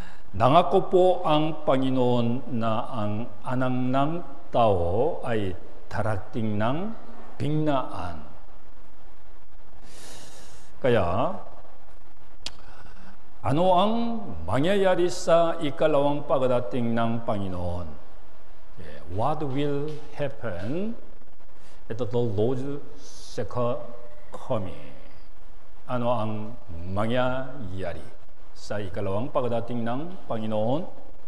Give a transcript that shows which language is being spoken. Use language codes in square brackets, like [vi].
[tl] Nangako po ang Panginoon na ang anak ng tao ay darating ng bignaan. Kaya, ano ang mangyayari sa ikalawang pagdating ng Panginoon? [en] What will happen at the Lord's second coming? [tl] Ano ang mangyayari sa ikalawang pagdating ng Panginoon?